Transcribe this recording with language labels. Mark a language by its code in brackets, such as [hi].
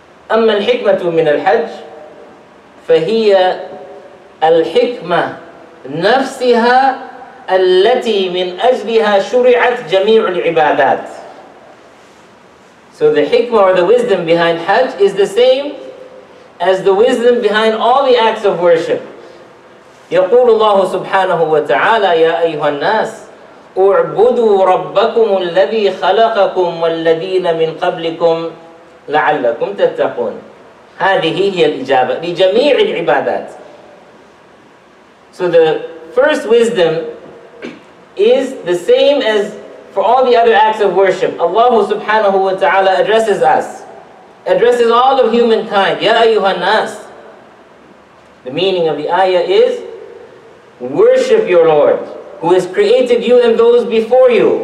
[ar] أما الحكمة من الحج فهي الحكمة نفسها التي من أجلها شرعت جميع العبادات. [en] So the hikmah or the wisdom behind Hajj is the same as the wisdom behind all the acts of worship. [ar] يقول الله سبحانه وتعالى يا أيها الناس اعبدوا ربكم الذي خلقكم والذين من قبلكم لعلكم تتقون. هذه هي الإجابة لجميع العبادات. [en] So the first wisdom is the same as for all the other acts of worship. Allah subhanahu wa ta'ala addresses us, addresses all of humankind. Ya ayyuha nas. The meaning of the ayah is, worship your Lord, who has created you and those before you.